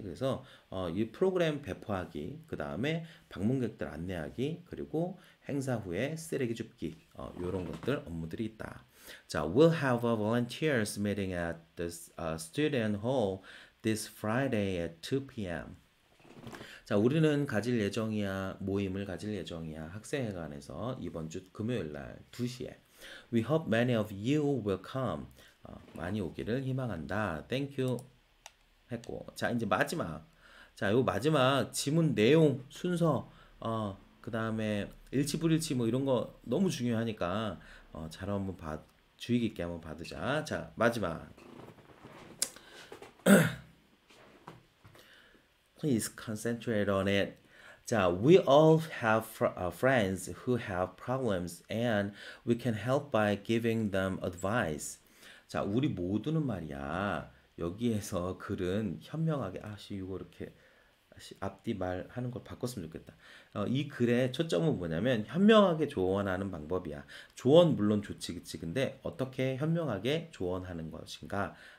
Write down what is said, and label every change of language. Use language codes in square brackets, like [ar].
[ko] 그래서 이 프로그램 배포하기, 그다음에 방문객들 안내하기, 그리고 행사 후에 쓰레기 줍기. 요런 것들 업무들이 있다. [en] 자, we'll have a volunteers meeting at this student hall this Friday at 2 p.m. [ko] 자, 우리는 가질 예정이야. 모임을 가질 예정이야. 학생회관에서 이번 주 금요일 날 2시에. [en] We hope many of you will come. [ko] 많이 오기를 희망한다. [en] Thank you. [ko] 했고. 자, 이제 마지막. 자, 요 마지막 지문 내용 순서 그다음에 일치 불일치 뭐 이런 거 너무 중요하니까 잘 한번 봐. 주의 깊게 한번 받으자. 자, 마지막. [en] Please concentrate on it. 자, we all have friends who have problems and we can help by giving them advice. [ko] 자, 우리 모두는 말이야. 여기에서 글은 현명하게, 아씨, 이거 이렇게 앞뒤 말하는 걸 바꿨으면 좋겠다. 이 글의 초점은 뭐냐면 현명하게 조언하는 방법이야. 조언 물론 좋지, 그치? 근데 어떻게 현명하게 조언하는 것인가?